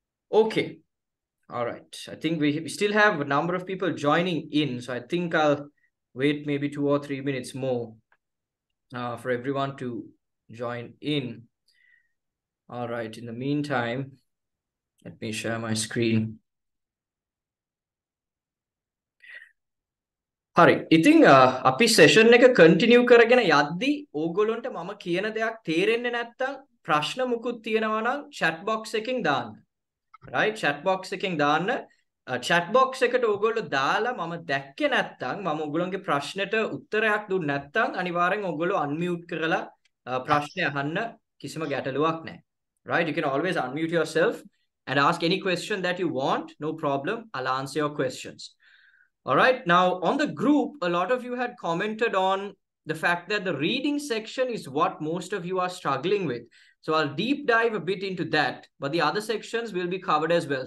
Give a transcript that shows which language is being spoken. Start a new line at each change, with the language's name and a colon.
English: okay all right I think we still have a number of people joining in so I think I'll wait maybe 2 or 3 minutes more for everyone to join in All right, in the meantime, let me share my screen.
Sinhala: Hari, ඉතින් අපි session එක continue කරගෙන යද්දී ඕගොල්ලන්ට මම කියන දෙයක් තේරෙන්නේ නැත්තම් ප්‍රශ්න මුකුත් තියෙනවා නම් chat box එකකින් දාන්න. Right, chat box එකකින් දාන්න. Chat box එකට ඕගොල්ලෝ දාලා මම දැක්කේ නැත්තම් මම ඕගොල්ලන්ගේ ප්‍රශ්නට උත්තරයක් දුන්න නැත්තම් අනිවාර්යෙන් ඕගොල්ලෝ unmute කරලා ප්‍රශ්නේ අහන්න කිසිම ගැටලුවක් නැහැ.
English: Right, you can always unmute yourself and ask any question that you want. No problem, I'll answer your questions. All right, now on the group, a lot of you had commented on the fact that the reading section is what most of you are struggling with. So I'll deep dive a bit into that, but the other sections will be covered as well.